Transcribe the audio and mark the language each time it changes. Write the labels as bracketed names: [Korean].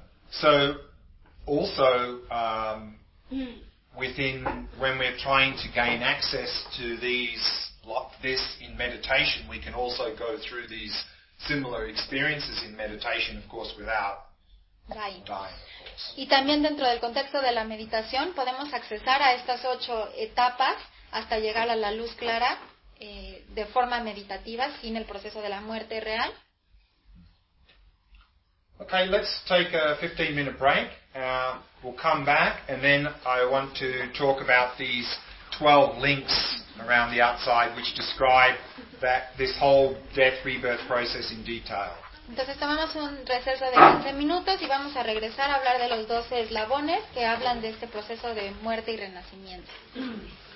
[English] So, also, when we're trying to gain access to this in meditation, we can also go through these similar experiences in meditation, of course, without dying. [Spanish] Y también dentro del contexto de la meditación podemos accesar a estas ocho etapas hasta llegar a la luz clara de forma meditativa sin el proceso de la muerte real. [English] Okay, let's take a 15-minute break. We'll come back and then I want to talk about these 12 links around the outside which describe that this whole death rebirth process in detail. [Spanish] Entonces tomamos un receso de 15 minutos y vamos a regresar a hablar de los 12 eslabones que hablan de este proceso de muerte y renacimiento.